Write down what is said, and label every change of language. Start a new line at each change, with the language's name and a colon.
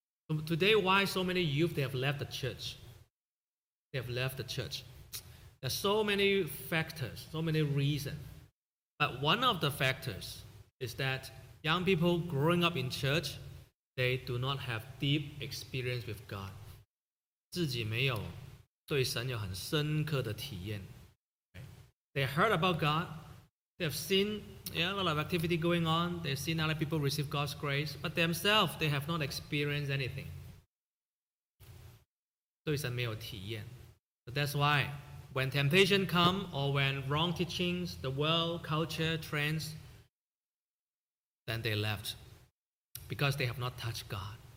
English: So today, why so many youth, they have left the church? They have left the church. There are so many factors, so many reasons. But one of the factors is that young people growing up in church, they do not have deep experience with God.
Chinese: 自己没有对神有很深刻的体验.
English: They heard about God. They have seen a lot of activity going on. They've seen other people receive God's grace. But themselves, they have not experienced anything. So that's why when temptation comes or when wrong teachings, the world, culture, trends, then they left because they have not touched God.